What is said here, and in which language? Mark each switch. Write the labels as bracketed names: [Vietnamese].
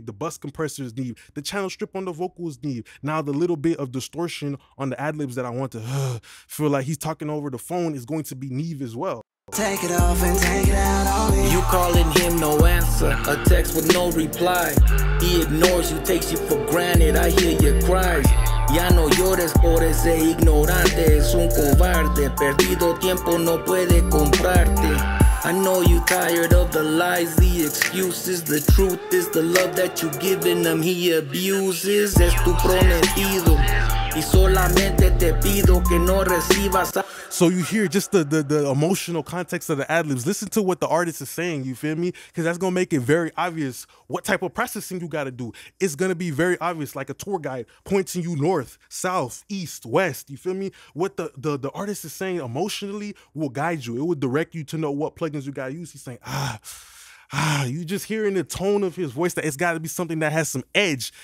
[English] The bus compressors need, the channel strip on the vocals need. Now the little bit of distortion on the ad-libs that I want to feel like he's talking over the phone is going to be needed as well. Take it off and take it out on me. You calling him, no answer. A text with no reply. He ignores you, takes you for granted. I hear your cries. [Spanish] Ya no llores por ese ignorante. Es un cobarde. Perdido tiempo no puede comprarte. [English] I know you tired of the lies, the excuses. The truth is the love that you giving him he abuses. [Spanish] Es tu prometido. Y solamente te pido que no recibas. [English] So you hear just the emotional context of the ad-libs. Listen to what the artist is saying, you feel me? Because that's going to make it very obvious what type of processing you got to do. It's going to be very obvious, like a tour guide pointing you north, south, east, west, you feel me? What the artist is saying emotionally will guide you. It will direct you to know what plugins you got to use. He's saying, you just hearing the tone of his voice that it's got to be something that has some edge.